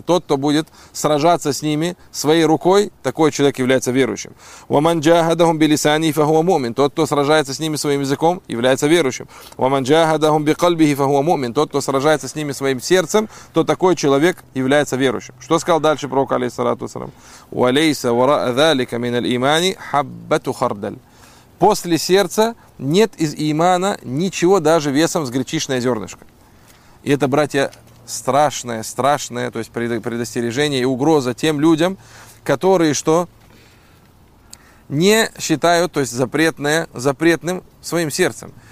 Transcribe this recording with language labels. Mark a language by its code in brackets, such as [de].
[ru] Тот, кто будет сражаться с ними своей рукой, такой человек является верующим. [ar] Ваман джахадахум билисани фахуа мумин, [ru] тот, кто сражается с ними своим языком, является верующим. [ar] Ваман джахадахум бикальбихи фахуа мумин, [ru] тот, кто сражается с ними своим сердцем, то такой человек является верующим. Что сказал дальше? [ar] مبروك عليه الصلاة والسلام. وليس وراء ذلك من الإيمان حبة خردل. [ru] После сердца нет из имана ничего даже весом с гречишное зернышко. И это, братья, страшное, страшное, то есть предостережение и угроза тем людям, которые что? Не считают, то есть запретное, запретным своим сердцем.